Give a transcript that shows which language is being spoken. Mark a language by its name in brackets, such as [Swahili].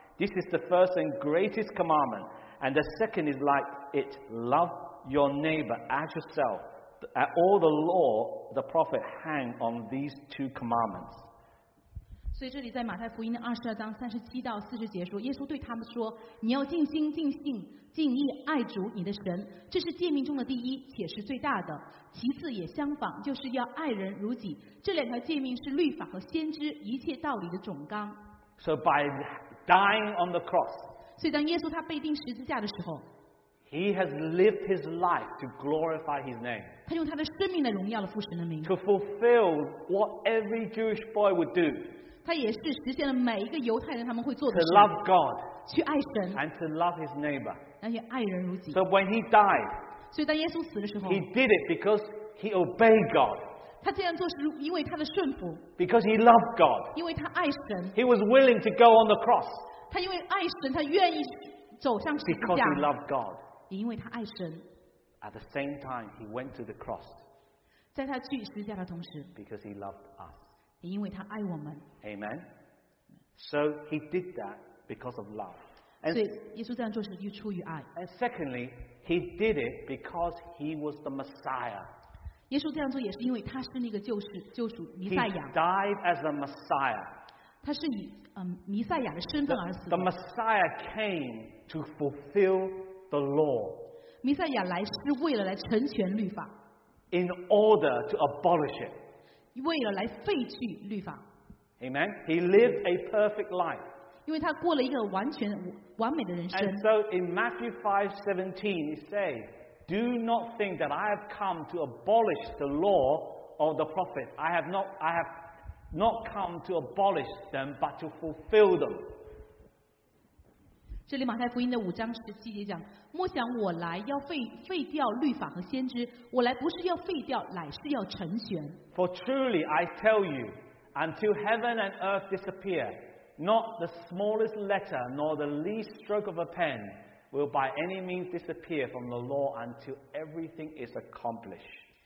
[English] This is the first and greatest commandment. And the second is like it: love your neighbor as yourself. All the law, the prophet, hang on these two commandments. [Chinese] 所以这里在马太福音的22:37-40说，耶稣对他们说，你要尽心尽性尽意爱主你的神，这是诫命中的第一且是最大的，其次也相仿，就是要爱人如己。这两条诫命是律法和先知一切道理的总纲。 [English] So by dying on the cross, [Chinese] 所以当耶稣他被钉十字架的时候， [English] He has lived his life to glorify his name, [Chinese] 他用他的生命来荣耀了父神的名， [English] to fulfill what every Jewish boy would do, [Chinese] 他也是实现了每一个犹太人他们会做的事。 [English] To love God, [Chinese] 去爱神。 [English] And to love his neighbor, [Chinese] 而且爱人如己。 [English] So when he died, [Chinese] 所以当耶稣死的时候， [English] he did it because he obeyed God. [Chinese] 他这样做是因为他的顺服。 [English] Because he loved God. [Chinese] 因为他爱神。 [English] He was willing to go on the cross. [Chinese] 他因为爱神，他愿意走上十字架。 [English] Because he loved God. [Chinese] 也因为他爱神。 [English] At the same time, he went to the cross. [Chinese] 在他去十字架的同时。 [English] Because he loved us. [Chinese] 因为他爱我们。 [English] Amen. So he did that because of love. [Chinese] 所以耶稣这样做是出于爱。 [English] And secondly, he did it because he was the Messiah. [Chinese] 耶稣这样做也是因为他是那个救世救主弥赛亚。 [English] He died as the Messiah. [Chinese] 他是以弥赛亚的身份而死的。 [English] The Messiah came to fulfill the law. [Chinese] 弥赛亚来是为了来成全律法。 [English] In order to abolish it. [Chinese] 为了来废去律法。 [English] Amen. He lived a perfect life. [Chinese] 因为他过了一个完全完美的人生。 [English] And so in Matthew 5:17, he says, "Do not think that I have come to abolish the law or the prophets. I have not come to abolish them, but to fulfill them." [Chinese] 这里马太福音的5:17讲，莫想我来要废掉律法和先知，我来不是要废掉，乃是要成全。 [English] For truly I tell you, until heaven and earth disappear, not the smallest letter nor the least stroke of a pen will by any means disappear from the law until everything is accomplished.